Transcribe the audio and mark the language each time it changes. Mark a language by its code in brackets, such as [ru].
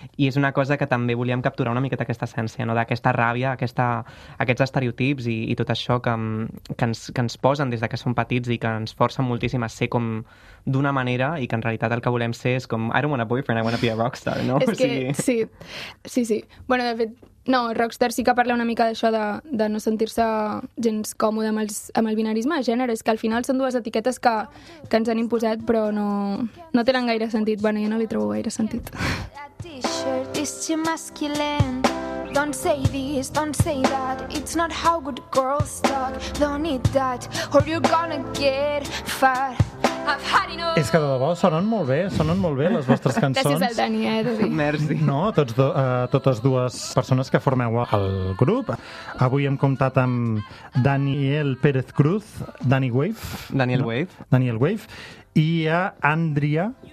[ca] I és una cosa que també volíem capturar una miqueta aquesta essència, no? D'aquesta ràbia, aquests estereotips i tot això que ens posen des de que som petits i que ens forcen moltíssim a ser com d'una manera, i que en realitat el que volem ser és com, [en] I don't want a boyfriend, I want to be a rockstar, [ca] no? És que, sí. Bueno, de fet, no, Rockstar sí que parla una mica d'això de no sentir-se gens còmode amb el binarisme de gènere. És que al final són dues etiquetes que ens han imposat, però no tenen gaire sentit. Bueno, jo no li trobo gaire sentit. [en] T-shirt is too masculine. Don't say this, don't say that. It's not how good girls talk. Don't eat that or you're gonna get fat. [ca] És que de debò sonen molt bé les vostres cançons. Gràcies al Dani, Merci. No, totes dues persones que formeu el grup. Avui hem comptat amb Daniel Pérez Cruz, Dani Wave. Daniel Wave. Daniel Wave. I a Àndria